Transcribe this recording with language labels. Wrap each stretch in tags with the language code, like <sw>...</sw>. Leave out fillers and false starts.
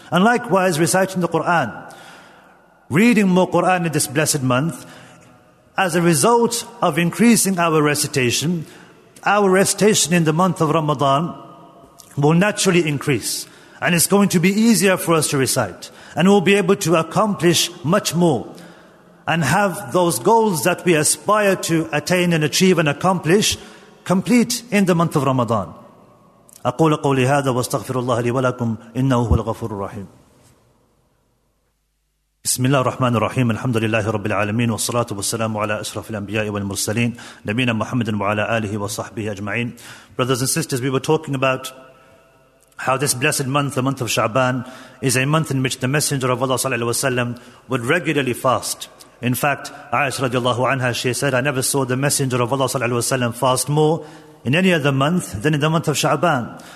<en>And likewise, reciting the Qur'an. Reading more Qur'an in this blessed month, as a result of increasing our recitation in the month of Ramadan will naturally increase, and it's going to be easier for us to recite, and we'll be able to accomplish much more and have those goals that we aspire to attain and achieve and accomplish complete in the month of Ramadan.</en> <ar>أقول قولي هذا واستغفر الله لي ولكم إنه هو الغفور الرحيم. بسم الله الرحمن الرحيم الحمد لله رب العالمين والصلاة والسلام على أشرف الأنبياء والمرسلين نبينا محمد وعلى آله وصحبه أجمعين.</ar> <en>Brothers and sisters, we were talking about how this blessed month, the month of Sha'ban, is a month in which the Messenger of Allah sallallahu alaihi wasallam would regularly fast. In fact, Aisha radiallahu anha, she said, I never saw the Messenger of Allah sallallahu alaihi wasallam fast more in any other month than in the month of Sha'ban.</en>